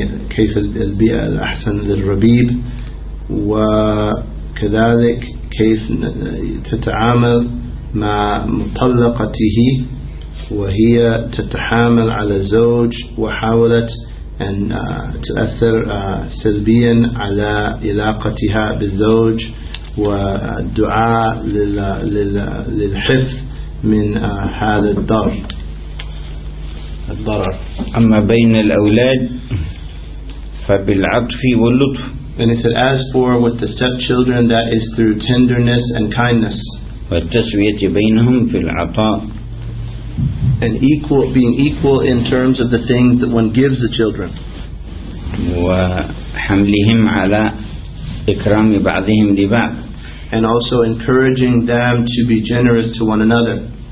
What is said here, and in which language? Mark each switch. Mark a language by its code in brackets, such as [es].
[ar] كيف البيئة الأحسن للربيب وكذلك كيف تتعامل مع مطلقته وهي تتحامل على الزوج وحاولت أن تؤثر سلبيا على علاقتها بالزوج ودعاء للحفظ من هذا الضرر. أما بين الأولاد فبالعطف واللطف. [en] And it said, as for with the stepchildren, that is through tenderness and kindness. [ar] والتسوية بينهم في العطاء. [en] And equal, being equal in terms of the things that one gives the children. [ar] وحملهم على إكرام بعضهم لبعض. [en] And also encouraging them to be generous to one another.